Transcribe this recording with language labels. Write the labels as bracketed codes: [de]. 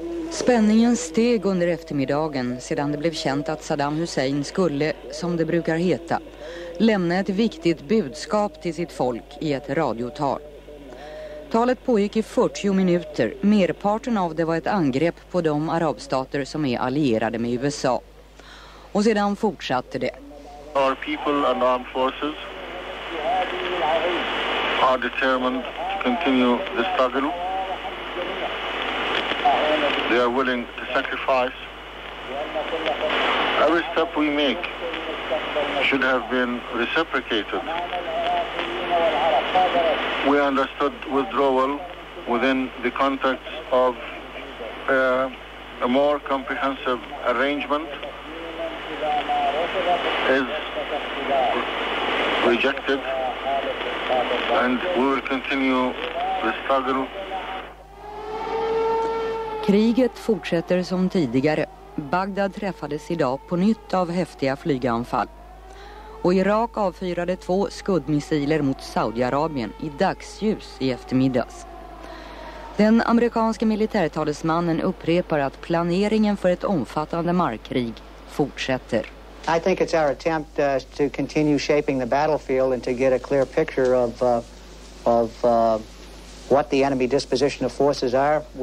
[sv] Spänningen steg under eftermiddagen sedan det blev känt att Saddam Hussein skulle, som det brukar heta, lämna ett viktigt budskap till sitt folk i ett radiotal. Talet pågick i 40 minuter. Merparten av det var ett angrepp på de arabstater som är allierade med USA. Och sedan fortsatte det. [en] Our people and armed forces are determined to continue the struggle. They are willing to sacrifice. Every step we make should have been reciprocated. We understood withdrawal within the context of a more comprehensive arrangement is rejected, and we will continue the struggle. [sv] Kriget fortsätter som tidigare. Bagdad träffades idag på nytt av häftiga flyganfall. Och Irak avfyrade 2 skuddmissiler mot Saudiarabien i dagsljus i eftermiddags. Den amerikanska militärtalesmannen upprepar att planeringen för ett omfattande markkrig fortsätter. [en] I think it's our attempt to continue shaping the battlefield and to get a clear picture of what the enemy disposition of forces are.